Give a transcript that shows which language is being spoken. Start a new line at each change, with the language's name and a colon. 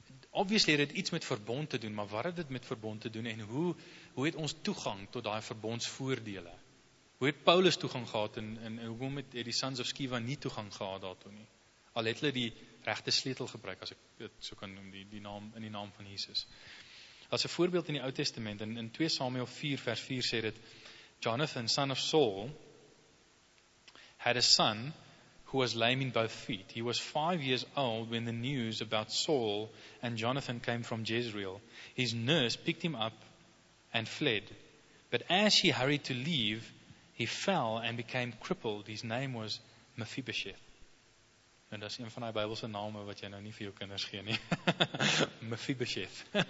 Afrikaans: Obviously het dit iets met verbond te doen, maar wat het dit met verbond te doen en hoe het ons toegang tot daai verbondsvoordele? Hoe het Paulus toegang gehad en hoekom het die
English: sons of Sceva
Afrikaans: nie toegang gehad daartoe nie? Al het hulle die regte sleutel gebruik, as ek dit so kan noem, die naam in die naam van Jesus. As 'n voorbeeld in die Ou Testament, in 2 Samuel 4 vers 4 sê dit,
English: Jonathan, son of Saul, had a son who was lame in both feet. He was 5 years old when the news about Saul and Jonathan came from Jezreel. His nurse picked him up and fled. But as she hurried to leave, he fell and became crippled. His name was Mephibosheth.
Afrikaans: En dat is een van die Bybelse name wat jy nou nie vir jou kinders gee nie. Mephibosheth.